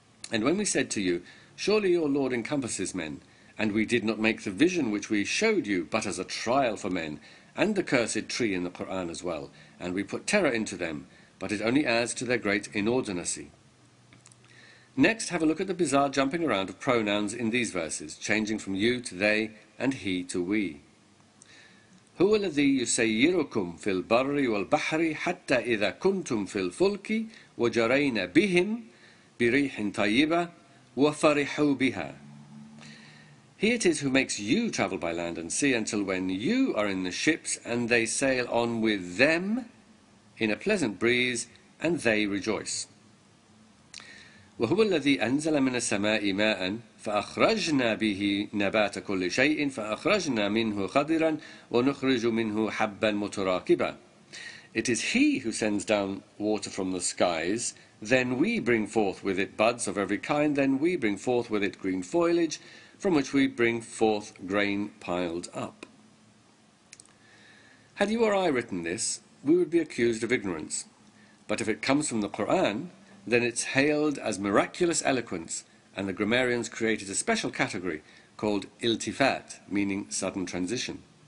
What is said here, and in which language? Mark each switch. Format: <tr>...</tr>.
<en>And when we said to you, surely your Lord encompasses men, and we did not make the vision which we showed you but as a trial for men, and the cursed tree in the Quran as well, and we put terror into them, but it only adds to their great inordinacy. Next, have a look at the bizarre jumping around of pronouns in these verses, changing from you to they and he to we.</en> <ar>هو الذي يسيركم في البر والبحر حتى إذا كنتم في الفلك وجرينا بهم بريح طيبة وفرحوا بها.</ar> <en>He it is who makes you travel by land and sea until when you are in the ships and they sail on with them in a pleasant breeze and they rejoice.</en> <ar>وهو الذي أنزل من السماء ماء فأخرجنا به نبات كل شيء فأخرجنا منه خضرا ونخرج منه حبا متراكبا.</ar> <en>It is he who sends down water from the skies, then we bring forth with it buds of every kind, then we bring forth with it green foliage, from which we bring forth grain piled up. Had you or I written this, we would be accused of ignorance. But if it comes from the Quran, then it's hailed as miraculous eloquence, and the grammarians created a special category called iltifat, meaning sudden transition.</en>